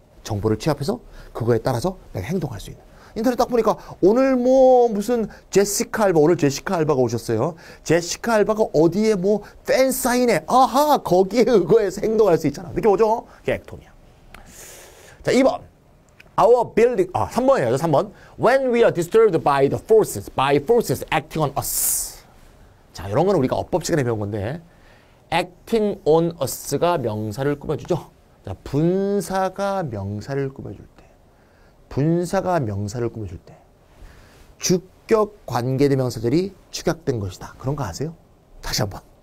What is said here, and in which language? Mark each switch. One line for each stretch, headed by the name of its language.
Korean: 정보를 취합해서 그거에 따라서 내가 행동할 수 있는. 인터넷 딱 보니까 오늘 뭐 무슨 제시카 알바, 오늘 제시카 알바가 오셨어요. 제시카 알바가 어디에 뭐 팬사인에, 아하, 거기에 의거해서 행동할 수 있잖아. 느낌 오죠? 그게 액톰이야. 자, 2번.
English: Our building,
Korean: 아, 3번이에요. 3번.
English: When we are disturbed by the forces, by forces acting on us.
Korean: 자, 이런 건 우리가 어법 시간에 배운 건데,
English: acting on us
Korean: 가 명사를 꾸며주죠. 자, 분사가 명사를 꾸며줄 때, 분사가 명사를 꾸며줄 때, 주격 관계대명사들이 축약된 것이다. 그런 거 아세요? 다시 한번.